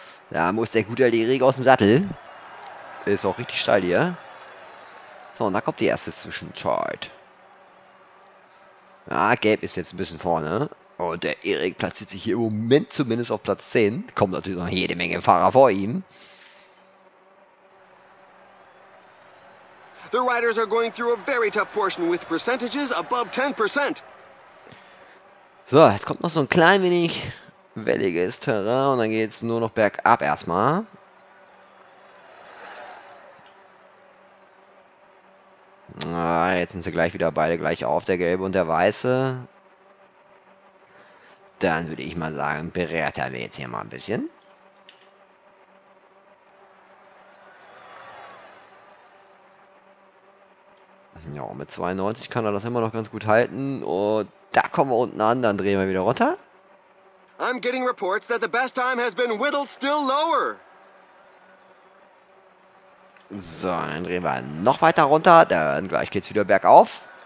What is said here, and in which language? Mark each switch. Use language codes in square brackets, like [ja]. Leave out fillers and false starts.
[de] Da muss der gute Erik aus dem Sattel. Ist auch richtig steil hier. So, und da kommt die erste Zwischenzeit. Ah, Gelb ist jetzt ein bisschen vorne. Und der Erik platziert sich hier im Moment zumindest auf Platz 10. Kommt natürlich noch jede Menge Fahrer vor ihm. [en] The riders are going through a very tough portion with percentages above 10%. [de] So, jetzt kommt noch so ein klein wenig welliges Terrain und dann geht's nur noch bergab erstmal. Ah, jetzt sind sie gleich wieder beide gleich auf, der Gelbe und der Weiße. Dann würde ich mal sagen, bereiten wir jetzt hier mal ein bisschen. Ja, mit 92 kann er das immer noch ganz gut halten. Und da kommen wir unten an, dann drehen wir wieder runter. [en] I'm getting reports that the best time has been whittled still lower. [de] So, dann drehen wir noch weiter runter, dann gleich geht's wieder bergauf.